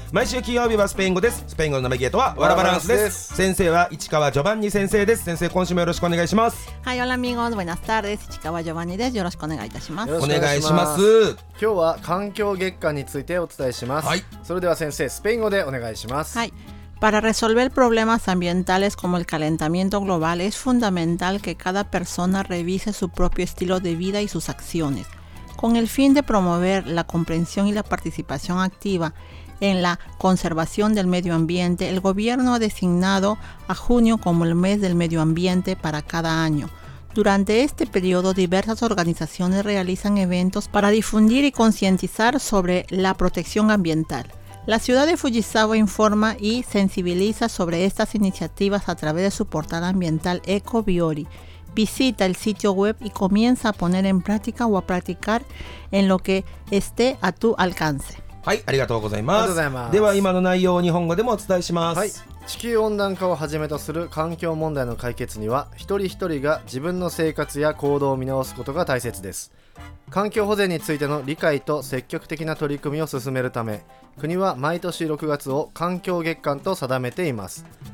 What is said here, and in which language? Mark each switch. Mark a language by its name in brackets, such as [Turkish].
[Japanese] 毎週金曜日はスペイン語です。スペイン語のナビゲートはワラバランスです。先生は市川ジョバンニ先生です。先生今週もよろしくお願いします。はい、オラミゴンズバイナスターです。市川ジョバンニです。よろしくお願いいたします。お願いします。今日は環境月間についてお伝えします。はい、それでは先生スペイン語でお願いします。はい。 [Spanish] Para resolver problemas ambientales como el calentamiento global, es fundamental que cada persona revise su propio estilo de vida y sus acciones. Con el fin de promover la comprensión y la participación activa en la conservación del medio ambiente, el gobierno ha designado a junio como el mes del medio ambiente para cada año. Durante este periodo, diversas organizaciones realizan eventos para difundir y concientizar sobre la protección ambiental. La ciudad de Fujisawa informa y sensibiliza sobre estas iniciativas a través de su portal ambiental EcoBiori. Visita el sitio web y comienza a poner en práctica o a practicar en lo que esté a tu alcance. [Japanese] はい、ありがとうございます。では今の内容を日本語でもお伝えします。はい。地球温暖化をはじめとする環境問題の解決には一人一人が自分の生活や行動を見直すことが大切です。環境保全についての理解と積極的な取り組みを進めるため、国は毎年6月を環境月間と定めています。